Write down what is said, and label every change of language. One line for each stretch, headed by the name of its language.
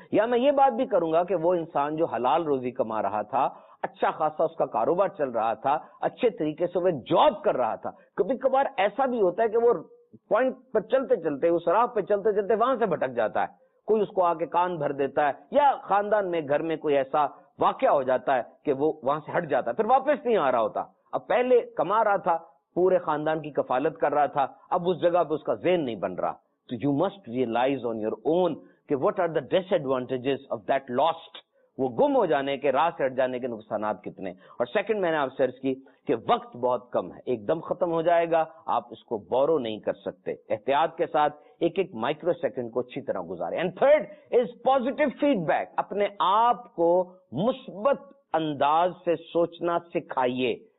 Urdu: یا میں یہ بات بھی کروں گا کہ وہ انسان جو حلال روزی کما رہا تھا, اچھا خاصا اس کا کاروبار چل رہا تھا, اچھے طریقے سے وہ جاب کر رہا تھا, کبھی کبھار ایسا بھی ہوتا ہے کہ وہ پوائنٹ پر چلتے چلتے, اس راہ پہ چلتے چلتے وہاں سے بھٹک جاتا ہے. کوئی اس کو آ کے کان بھر دیتا ہے, یا خاندان میں, گھر میں کوئی ایسا واقعہ ہو جاتا ہے کہ وہ وہاں سے ہٹ جاتا ہے, پھر واپس نہیں آ رہا ہوتا. اب پہلے کما رہا تھا, پورے خاندان کی کفالت کر رہا تھا, اب اس جگہ پہ اس کا ذہن نہیں بن رہا.
English: So you must realize on your own کہ what are the disadvantages of that lost,
Urdu: وہ گم ہو جانے کے, راہ سے ہٹ جانے کے نقصانات کتنے. اور سیکنڈ میں نے آپ سے عرض کی کہ وقت بہت کم ہے, ایک دم ختم ہو جائے گا, آپ اس کو بورو نہیں کر سکتے. احتیاط کے ساتھ ایک ایک مائکرو سیکنڈ کو اچھی طرح گزارے.
English: and third is positive feedback,
Urdu: اپنے آپ کو مثبت انداز سے سوچنا سکھائیے.